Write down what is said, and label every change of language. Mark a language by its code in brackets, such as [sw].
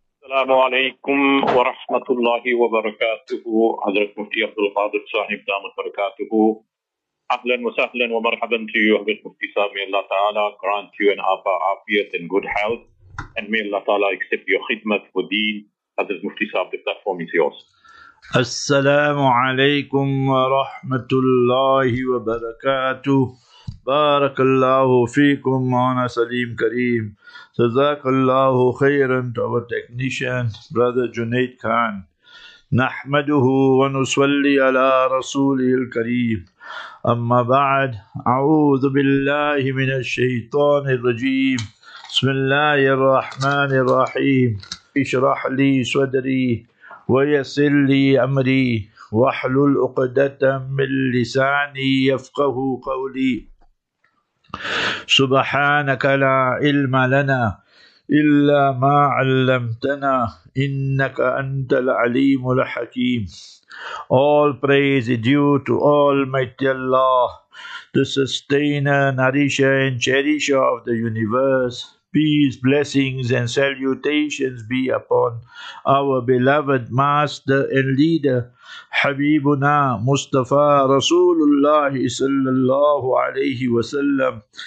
[ar] السلام عليكم ورحمة الله وبركاته، حضرت مفتي عبد القادر صاحب دام بركاته. أهلا وسهلا ومرحبا [en] to you [ar] حضرت مفتي سامي. [en] الله تعالى grant you and Apa عافية and good health and may الله تعالى accept your [ar] خدمة ودين. [en] حضرت مفتي سامي, the platform is yours. [ar] السلام عليكم ورحمة الله وبركاته. بارك الله فيكم معنا سليم كريم. جزاك الله خيرا [en] to our technician brother Junaid Khan. [ar] نحمده ونصلي على رسوله الكريم. أما بعد, أعوذ بالله من الشيطان الرجيم. بسم الله الرحمن الرحيم. اشرح لي صدري ويسر لي أمري واحلل عقدة من لساني يفقه قولي. سبحانك لا علم لنا إلا ما علمتنا إنك أنت العليم الحكيم. [en] All praise is due to Almighty Allah, the sustainer, nourisher and cherisher of the universe. Peace, blessings and salutations be upon our beloved master and leader Habibuna Mustafa Rasulullah sallallahu alayhi wa sallam.